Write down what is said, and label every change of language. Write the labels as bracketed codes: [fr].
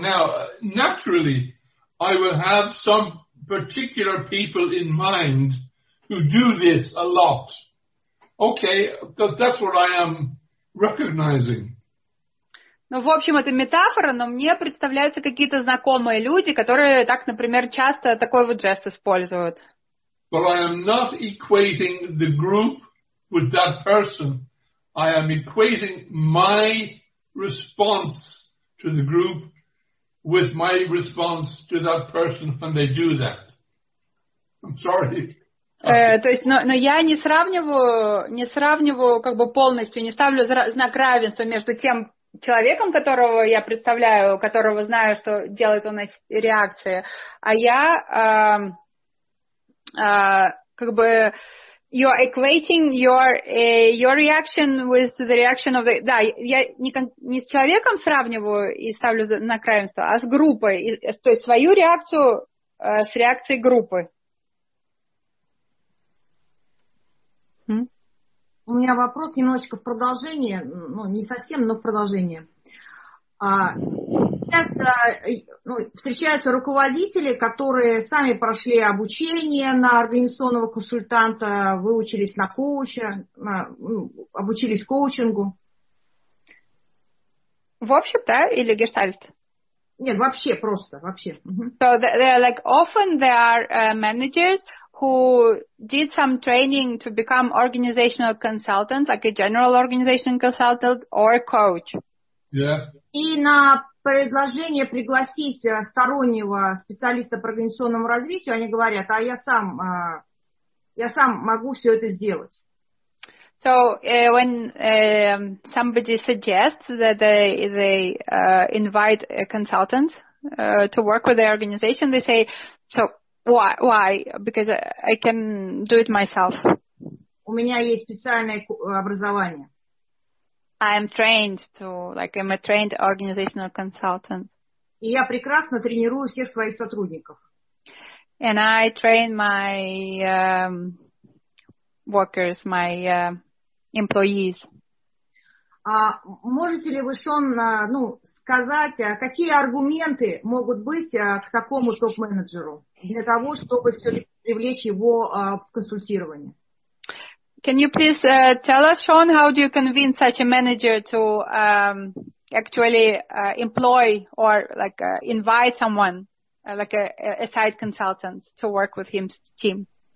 [en] Now, naturally, I will have some particular people in mind who do this a lot. Okay, because that's what I am recognizing. [ru] Ну, в общем, это метафора, но мне представляются какие-то знакомые люди, которые так, например, часто такой вот жест используют. [en] But I am not equating the group with that person. I am equating my response to the group with my response to that person when they do that. I'm sorry. [ru] То есть, но я не сравниваю как бы полностью, не ставлю знак равенства между тем, человеком, которого я представляю, которого знаю, что делает он эти реакции, а я как бы [en] you're equating your reaction with the reaction of the... [ru] Да, я не с человеком сравниваю и ставлю на равенство, а с группой. То есть свою реакцию с реакцией группы. У меня вопрос немножечко в продолжение, ну, не совсем, но в продолжение. Сейчас встречаются руководители, которые сами прошли обучение на организационного консультанта, выучились на коуча, обучились коучингу. В общем, да, или гештальт? Нет, вообще просто, вообще. [en] So they are like often they are managers who did some training to become organizational consultant, like a general organization consultant or a coach. Yeah. [ru] И на предложение пригласить стороннего специалиста по организационному развитию, они говорят, а я сам могу все это сделать. [en] So when somebody suggests that they invite a consultant to work with their organization, they say, so why? Because I can do it myself. [ru] У меня есть специальное образование. [en] I am trained to, like, I'm a trained organizational consultant. [ru] И я прекрасно тренирую всех своих сотрудников. [en] And I train my workers, my employees. [ru] Можете ли вы, Шон, сказать, какие аргументы могут быть к такому топ-менеджеру для того, чтобы все-таки привлечь его в консультирование? [en] Can you please tell us, Sean, how do you convince such a manager to actually employ or like invite someone, like a side consultant, to work with his team?